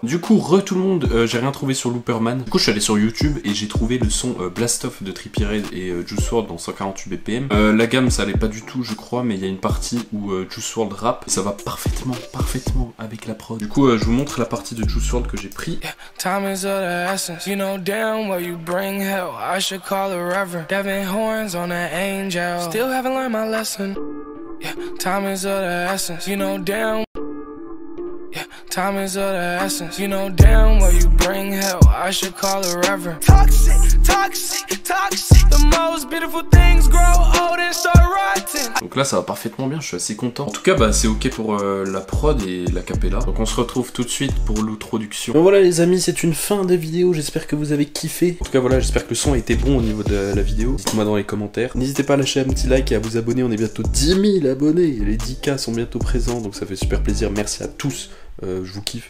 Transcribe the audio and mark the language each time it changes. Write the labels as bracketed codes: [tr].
[fr] Du coup, re tout le monde, j'ai rien trouvé sur Looperman. Du coup, je suis allé sur YouTube et j'ai trouvé le son Blast Off de Trippie Redd et Juice WRLD dans 148 BPM. La gamme, ça allait pas du tout, je crois, mais il y a une partie où Juice WRLD rap. Et ça va parfaitement, parfaitement avec la prod. Du coup, je vous montre la partie de Juice WRLD que j'ai pris. [en] Time is of the essence. You know damn where you bring hell. I should call the reverend. Horns on an angel. Still haven't learned my lesson. Yeah, time is of the essence. You know damn. Yeah, time is of the essence. You know damn where you bring hell. I should call a reverend. Toxic, toxic, toxic. The most beautiful things grow old and start rotting. [fr] Donc là, ça va parfaitement bien, je suis assez content. En tout cas, bah, c'est ok pour la prod et la cappella. Donc on se retrouve tout de suite pour l'introduction. Bon voilà les amis, c'est une fin de vidéo, j'espère que vous avez kiffé. En tout cas voilà, j'espère que le son a été bon au niveau de la vidéo. Dites-moi dans les commentaires. N'hésitez pas à lâcher un petit like et à vous abonner, on est bientôt 10 000 abonnés. Les 10K sont bientôt présents, donc ça fait super plaisir. Merci à tous Je vous kiffe.